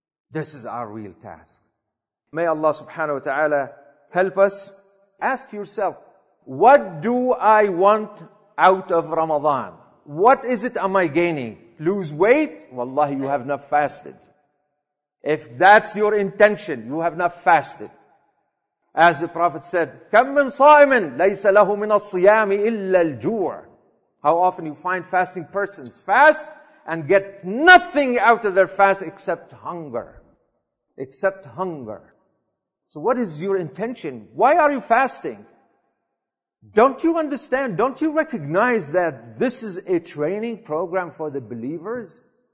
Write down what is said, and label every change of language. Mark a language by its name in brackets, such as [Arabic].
[English] This is our real task. May Allah subhanahu wa ta'ala help us. Ask yourself, what do I want out of Ramadan? What is it am I gaining? Lose weight? Wallahi, you have not fasted. If that's your intention, you have not fasted. As the Prophet said, [Arabic] كَمْ مِنْ صَائِمٍ لَيْسَ لَهُ مِنَ الصِّيَامِ إِلَّا الْجُوعِ. [English] How often you find fasting persons fast and get nothing out of their fast except hunger. Except hunger. So what is your intention? Why are you fasting? Don't you understand? Don't you recognize that this is a training program for the believers?